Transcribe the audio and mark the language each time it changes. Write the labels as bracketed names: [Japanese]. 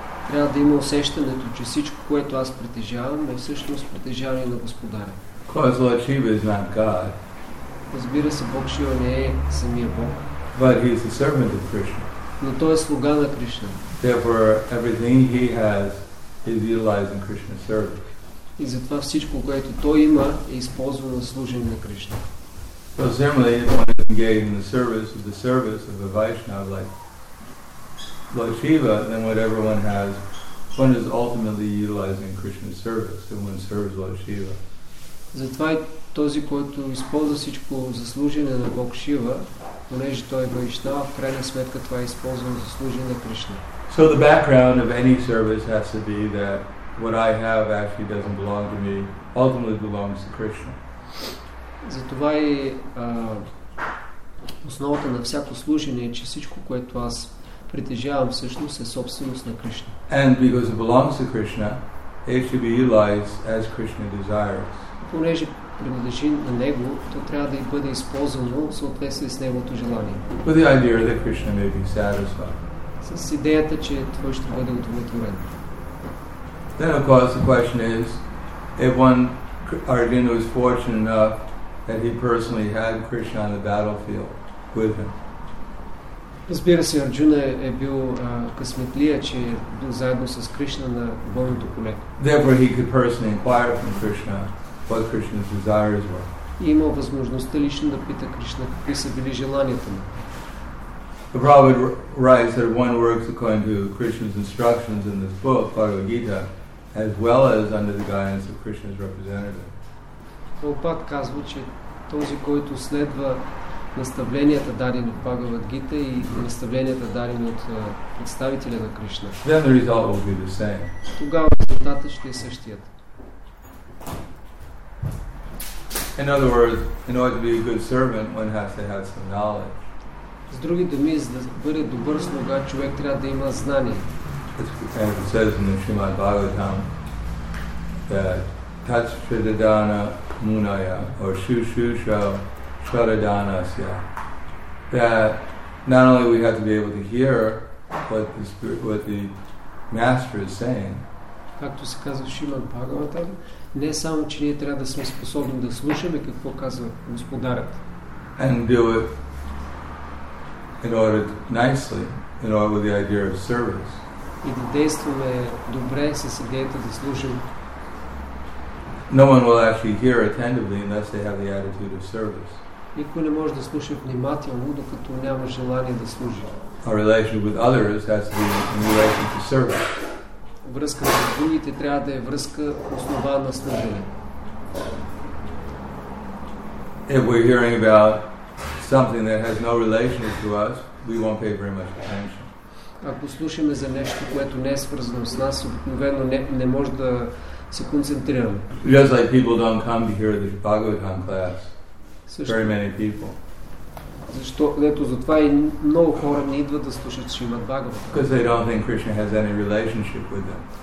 [Bulgarian] Трябва да има усещането, че всичко, което аз притежавам, е всъщност притежание на господаря. [English] Because Lord Shiva is not God. [Bulgarian] Разбира се, Бог Шива не е самия Бог. [English] But he is a servant of Krishna. [Bulgarian] Но той е слуга на Кришна. [English] Therefore, everything he has is utilized in Krishna's service. [Bulgarian] И затова всичко, което той има, е използвано за служение на Кришна. [English] So similarly, if one is engaged in the service of a Vaishnava like Lord Shiva, then whatever one has, one is ultimately utilizing Krishna's service, and one serves Lord Shiva. [Bulgarian] Затова и този, който използва всичко за служение на Бог Шива, понеже той е Вайшнава, в крайна сметка това е използвано за служение на Кришна. [English] So the background of any service has to be that what I have actually doesn't belong to me, ultimately belongs to Krishna. [Bulgarian] Затова и основата на всяко служение е, че всичко, което аз притежавам, всъщност е собственост на Кришна. [English] And because it belongs to Krishna, it should be utilized as Krishna desires. [Bulgarian] Понеже принадлежи на него, то трябва да бъде използвано в съответствие с неговото желание. [English] With the idea that Krishna may be satisfied. [Bulgarian] С идеята, че той ще бъде удовлетворен. [English] Then of course the question is, if one Arjuna was fortunate enough that he personally had Krishna on the battlefield with him. [Bulgarian] Разбира се, Арджуна е бил късметлия, че е бил заедно с Кришна на бойното поле. [English] Therefore he could personally inquire from Krishna what Krishna's desires were. [Bulgarian] И имал възможността лично да пита Кришна какви са били желанията му. [English] The Prabhupada writes that one works according to Krishna's instructions in this book, Bhagavad Gita, as well as under the guidance of Krishna's representative. [Bulgarian] Prabhupada казва, че този, който следва наставленията дадени от Бхагавад Гита и наставленията дадени от представителя на Кришна, [English] then the result will be the same. [Bulgarian] Тогава резултатът ще е същият. [English] In other words, in order to be a good servant, one has to have some knowledge. [Bulgarian] С други думи, за да бъде добър слуга, човек трябва да има знание. [English] As it says in the Srimad Bhagavatam, that tachchidana munaya or shushusha shradanasya, that not only we have to be able to hear what the spirit, what the master is saying. [Bulgarian] Както се казва в Шримад Бхагаватам, не само че ние трябва да сме способни да слушаме какво казва господарят. [English] And do it in order nicely, in order with the idea of service. [Bulgarian] И да действаме добре с идеята да служим. [English] No one will actually hear attentively unless they have the attitude of service. [Bulgarian] Никой не може да слуша внимателно, докато няма желание да служи. [English] Our relationship with others has to be in relation to service. [Bulgarian] Връзка с другите трябва да е връзка основана на служене. [English] If we're hearing about something that has no relation to us, we won't pay very much attention. [Bulgarian] Ако слушаме за нещо, което не е свързано с нас, обикновено не може да се концентрираме. [English] Just like people don't come to hear the Bhagavatam class. Very many people. [Bulgarian] Защо? Ето затова и много хора не идват да слушат Шримад Бхагаватам. [English] Because they don't think Krishna has any relationship with them.